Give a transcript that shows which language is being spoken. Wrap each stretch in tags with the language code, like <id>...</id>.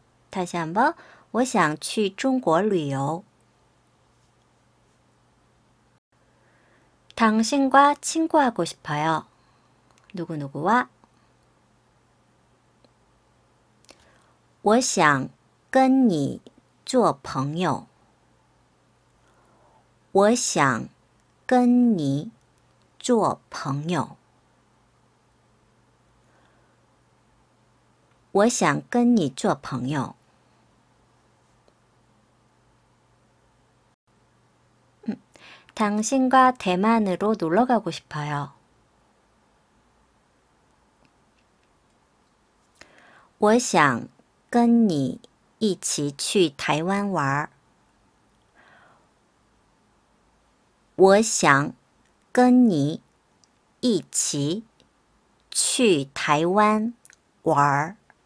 <ko>다시 한번，</ko> <zh>我想去中国旅游。</zh> <ko>당신과 친구하고 싶어요. 누구누구와？</ko> <zh>我想跟你做朋友。我想跟你做朋友。我想跟你做朋友。</zh> <ko>당신과 대만으로 놀러 가고 싶어요.</ko> <zh>我想跟你一起去台湾玩儿。我想跟你一起去台湾玩儿。</zh>